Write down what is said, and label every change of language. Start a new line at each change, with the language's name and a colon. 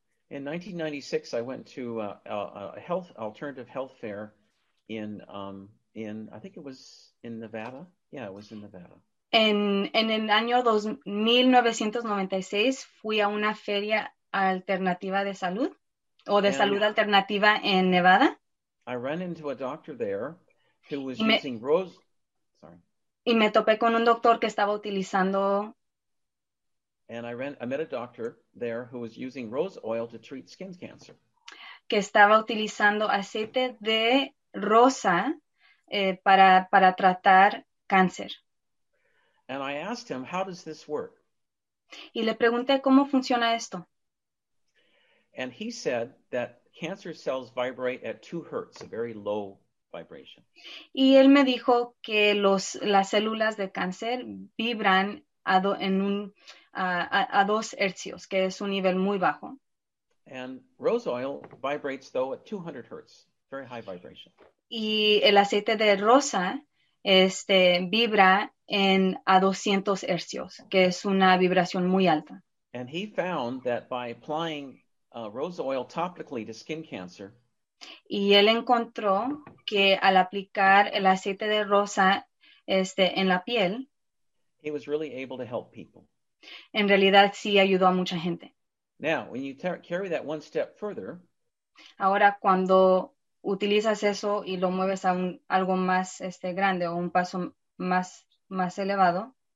English: In 1996, I went to alternative health fair in Nevada. Yeah, it was in Nevada.
Spanish: En el año 1996 fui a una feria alternativa de salud o de
English: and
Spanish: salud alternativa en Nevada.
English: I ran into a doctor there who was using rose. Sorry.
Spanish: Y me topé con un doctor que estaba utilizando.
English: And I met a doctor there who was using rose oil to treat skin cancer.
Spanish: Que estaba utilizando aceite de rosa para tratar cáncer.
English: And I asked him, how does this work?
Spanish: Y le pregunté, ¿cómo funciona esto?
English: And he said that cancer cells vibrate at 2 hertz, a very low vibration.
Spanish: Y él me dijo que las células de cáncer vibran a 2 hertzios, que es un nivel muy bajo.
English: And rose oil vibrates, though, at 200 hertz, very high vibration.
Spanish: Y el aceite de rosa vibra a 200 hertzios, que es una vibración muy alta.
English: And he found that by applying rose oil topically to skin cancer.
Spanish: Y él encontró que al aplicar el aceite de rosa en la piel.
English: He was really able to help people.
Spanish: En realidad sí ayudó a mucha gente.
English: Now, when you carry that one step further.
Spanish: Ahora, cuando utilizas eso y lo mueves a algo más grande o un paso más elevado.